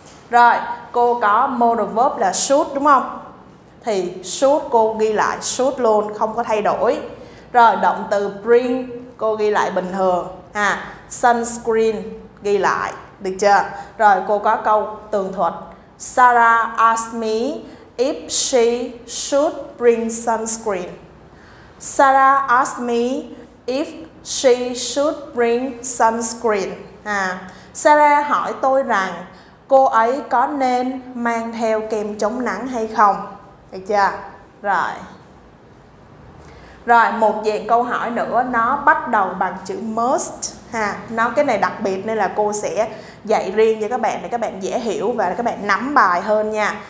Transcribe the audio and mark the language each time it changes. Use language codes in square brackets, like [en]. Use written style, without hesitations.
[vi] Rồi, cô có modal verb là should, đúng không? Thì should cô ghi lại should luôn, không có thay đổi. Rồi, động từ bring cô ghi lại bình thường ha. Sunscreen ghi lại, được chưa? Rồi, cô có câu tường thuật. [en] Sarah asked me if she should bring sunscreen. Sarah asked me if she should bring sunscreen. [vi] À, Sarah hỏi tôi rằng cô ấy có nên mang theo kem chống nắng hay không? Được chưa? Rồi. Rồi, một dạng câu hỏi nữa, nó bắt đầu bằng chữ must ha. Nó cái này đặc biệt nên là cô sẽ dạy riêng cho các bạn để các bạn dễ hiểu và các bạn nắm bài hơn nha.